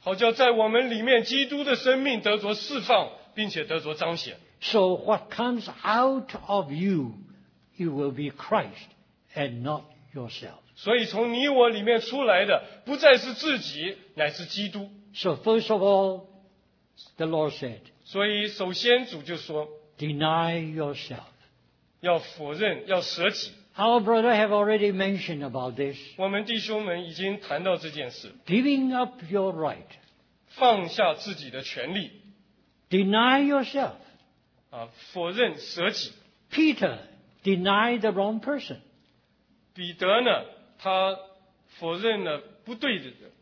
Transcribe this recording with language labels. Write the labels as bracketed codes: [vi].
[zh] 好叫在我们里面基督的生命得着释放，并且得着彰显。 [en] So what comes out of you, it will be Christ and not yourself. [zh] 所以从你我里面出来的，不再是自己，乃是基督。 [en] So first of all, the Lord said, [zh] 所以首先主就说， [en] deny yourself. [zh] 要否认，要舍己。 [en] Our brother have already mentioned about this. [zh] 我们弟兄们已经谈到这件事。 [en] Giving up your right. [zh] 放下自己的权利。 [en] Deny yourself. [zh] 否认，舍己。 [en] Peter denied the wrong person. [zh] 彼得呢，他否认了不对的人。